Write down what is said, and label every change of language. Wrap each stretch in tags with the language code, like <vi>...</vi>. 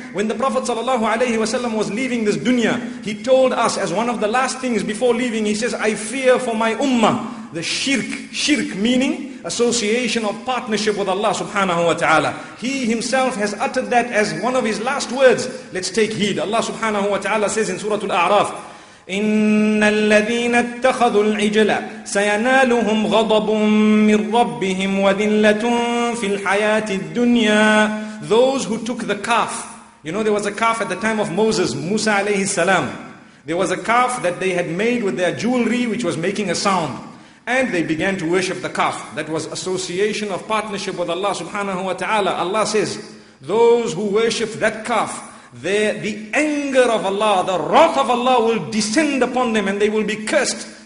<en>When the Prophet sallallahu alayhi wa sallam was leaving this dunya, he told us as one of the last things before leaving, he says, I fear for my ummah, the shirk. Shirk meaning association of partnership with Allah subhanahu wa ta'ala. He himself has uttered that as one of his last words. Let's take heed. Allah subhanahu wa ta'ala says in Surah Al-A'raf,</en> <ar>إِنَّ الَّذِينَ اتَّخَذُوا الْعِجْلَ سَيَنَالُهُمْ غَضَبٌ مِّن رَّبِّهِمْ وَذِلَّةٌ فِي الْحَيَاةِ الدُّنْيَا.</ar> <en>Those who took the calf, you know, there was a calf at the time of Moses, Musa alayhi salam. There was a calf that they had made with their jewelry, which was making a sound. And they began to worship the calf. That was association of partnership with Allah subhanahu wa ta'ala. Allah says, those who worship that calf, the anger of Allah, the wrath of Allah will descend upon them and they will be cursed.</en>